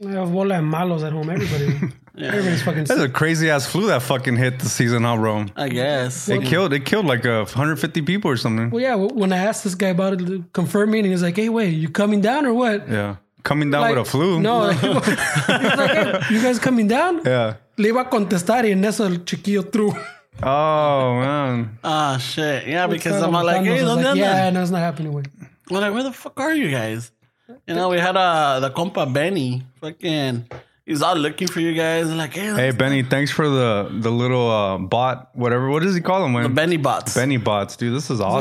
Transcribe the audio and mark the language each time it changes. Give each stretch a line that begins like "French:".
English: I have
Spanish: bola de malos
English: at home. Everybody. Yeah. Everybody's fucking sick. That's a crazy-ass flu that fucking hit the season, huh, bro? I guess. It killed like 150 people or something. Well, yeah. When I asked this guy about it, confirmed me, and he was like, hey, wait, you coming down or what? Yeah. Coming down like, with a flu. No. He's like, hey, you guys coming down? Yeah.
Spanish: Le iba a contestar y en eso el chiquillo
English: threw... Oh, man. Ah, oh, shit. Yeah, because I'm like, hey, don't like, yeah, no, it's not happening. I'm like, where the fuck are you guys? You know, we had the compa Benny. Fucking, he's out looking for you guys. I'm like, hey, hey, Benny, thanks for the little bot, whatever. What does he call them? The Benny bots. Benny bots, dude. This is awesome.